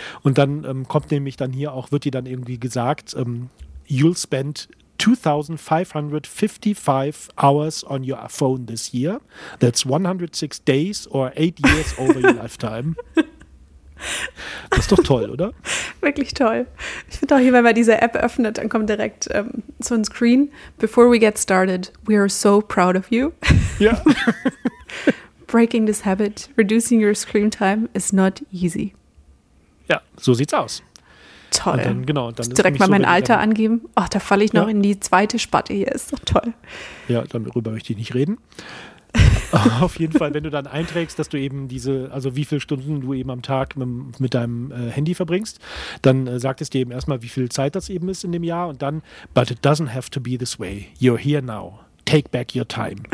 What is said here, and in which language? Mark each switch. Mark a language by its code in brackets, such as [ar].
[de] Und dann kommt nämlich dann hier auch, wird dir dann irgendwie gesagt, [en] you'll spend 2,555 hours on your phone this year. That's 106 days or 8 years over your lifetime. [de] Das ist doch toll, oder? Wirklich toll. Ich finde auch, wenn man diese App öffnet, dann kommt direkt so ein Screen. [en] Before we get started, we are so proud of you. [de] Ja. [en] Breaking this habit, reducing your screen time is not easy. [de] Ja, so sieht's aus. Toll. Und dann, genau, dann direkt mal mein Alter angeben. Ach, da falle ich noch in die zweite Spatte hier. Ist doch toll. Ja, darüber möchte ich nicht reden. Auf jeden Fall, wenn du dann einträgst, dass du eben also wie viele Stunden du eben am Tag mit deinem Handy verbringst, dann sagt es dir eben erstmal, wie viel Zeit das eben ist in dem Jahr und dann, [en] but it doesn't have to be this way. You're here now. Take back your time.